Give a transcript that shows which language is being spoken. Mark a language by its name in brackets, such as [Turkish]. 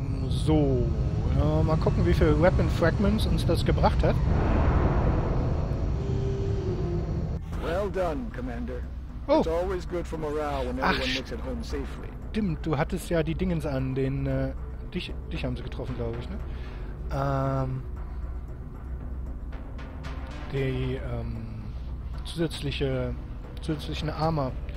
[German] So, mal gucken, wie viele Weapon Fragments uns das gebracht hat. [English] Well done, Commander. Oh. It's always good for morale when everyone makes it home safely. [German] Stimmt, du hattest ja die Dingens an, den dich haben sie getroffen, glaube ich, ne? Zusätzlichen Armor.